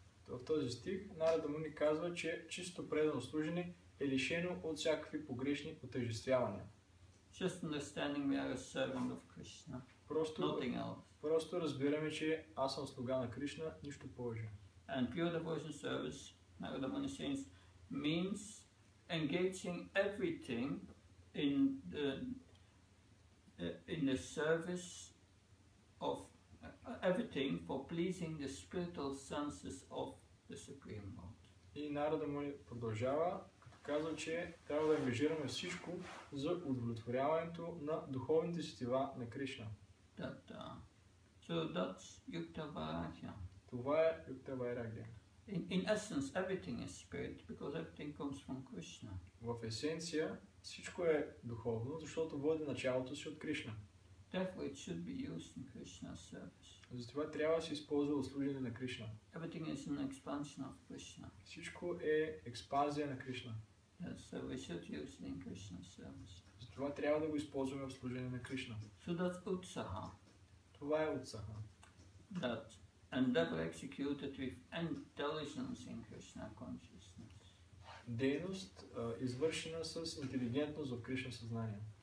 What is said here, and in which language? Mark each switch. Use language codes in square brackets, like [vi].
[bg] В този стих Narada Muni казва, че чисто предано служене е лишено от всякакви погрешни отъждествявания. [en] Just understanding we are a servant of Krishna. Nothing else. [bg] Просто разбираме, че аз съм слуга на Кришна, нищо повече. [en] And pure devotional service, Narada Muni says, means engaging everything in the service of everything for pleasing the spiritual senses of the Supreme Lord. [bg] И Narada Muni продължава, казва, че трябва да ангажираме всичко за удовлетворяването на духовните сетива на Кришна. [en] So that's yukta vairagya. [bg] Това е yukta vairagya. [en] In essence, everything is spirit because everything comes from Krishna. [bg] В есенция всичко е духовно, защото води началото си от Кришна. [en] Therefore, it should be used in Krishna's service. [bg] Затова трябва да се използва в служение на Кришна. [en] Everything is an expansion of Krishna. [bg] Всичко е експанзия на Кришна. [en] Yes, so we should use it in Krishna's service. [bg] Затова трябва да го използваме в служение на Кришна. [en] So that's utsaha. [bg] Това е utsaha. [en] That endeavor executed with intelligence in Krishna consciousness. [bg] Дейност, извършена с интелигентност в Кришна съзнание.